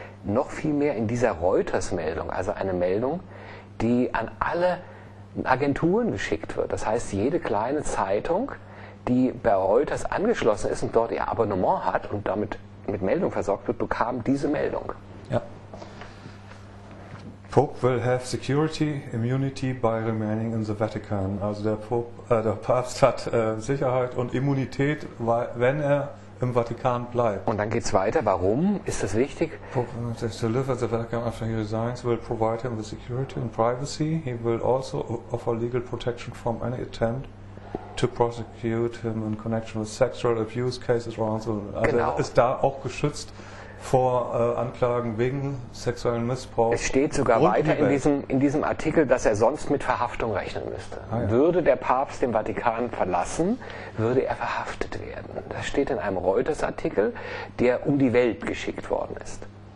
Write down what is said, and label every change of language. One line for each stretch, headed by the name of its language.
German: Noch viel mehr in dieser Reuters-Meldung, also eine Meldung, die an alle Agenturen geschickt wird. Das heißt, jede kleine Zeitung, die bei Reuters angeschlossen ist und dort ihr Abonnement hat und damit mit Meldung versorgt wird, bekam diese Meldung. Ja.
English: Pope will have security immunity by remaining in the Vatican.
German: Also der Papst hat Sicherheit und Immunität, wenn er im Vatikan bleibt. Und dann geht's weiter. Warum ist das wichtig?
English: Pope says to live at the Vatican after he resigns will provide him with security and privacy. He will also offer legal protection from any attempt to prosecute him in connection with sexual abuse cases around the world.
German: Also genau. Er ist da auch geschützt vor Anklagen wegen sexuellen Missbrauch. Es steht sogar weiter in diesem Artikel, dass er sonst mit Verhaftung rechnen müsste. Ah, ja. Würde der Papst den Vatikan verlassen, würde er verhaftet werden. Das steht in einem Reuters-Artikel, der um die Welt geschickt worden ist.